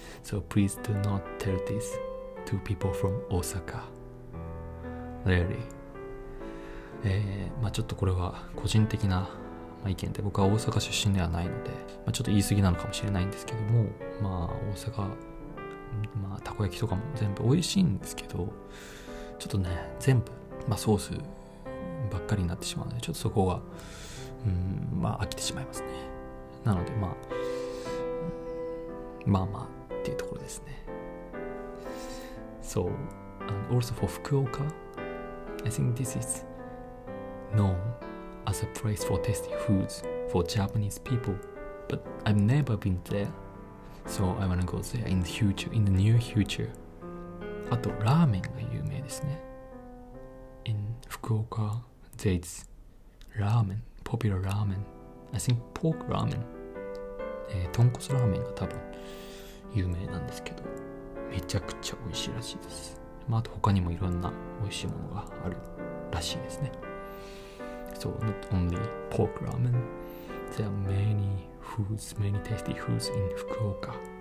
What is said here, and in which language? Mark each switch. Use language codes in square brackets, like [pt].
[en] So please do not tell this to people from Osaka, really. [ja] ちょっとこれは個人的な意見で、僕は大阪出身ではないので、ちょっと言い過ぎなのかもしれないんですけども、大阪、たこ焼きとかも全部美味しいんですけど、ちょっとね、全部、ソースばっかりになってしまうので、ちょっとそこが、飽きてしまいますね。なので、っていうところですね。 [en] So, and also for Fukuoka, I think this is known as a place for tasty foods for Japanese people, but I've never been there. So I wanna go there in the future, in the near future. [ja] あとラーメンが有名ですね。 [en] In Fukuoka, there's ramen, popular ramen. I think pork ramen. [ja] 豚骨ラーメンが多分有名なんですけど、めちゃくちゃ美味しいらしいです。あと他にもいろんな美味しいものがあるらしいですね。 [en] So not only pork ramen, there are many tasty foods in Fukuoka.